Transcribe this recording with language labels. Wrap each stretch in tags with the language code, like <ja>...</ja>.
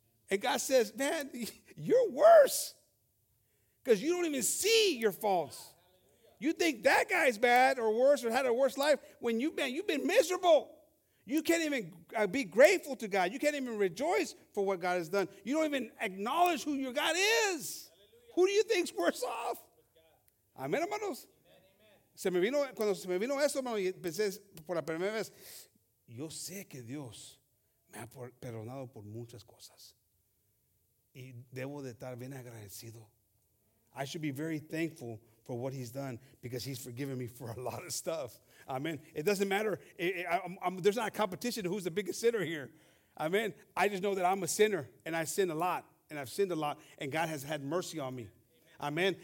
<en>And God says, "Man, you're worse because you don't even see your faults. You think that guy's bad or worse or had a worse life when you've been miserable." You can't even be grateful to God. You can't even rejoice for what God has done. You don't even acknowledge who your God is. Hallelujah. Who do you think's worse off?</en> <es>Amén, hermanos. Se me vino, cuando se me vino eso, hermano, y pensé por la primera vez, yo sé que Dios me ha perdonado por muchas cosas. Y debo de estar bien agradecido.</es> <en>I should be very thankful for what he's done because he's forgiven me for a lot of stuff. Amen. It doesn't matter. There's not a competition who's the biggest sinner here. Amen. I just know that I'm a sinner, and I sin a lot, and I've sinned a lot, and God has had mercy on me. Amen.</en>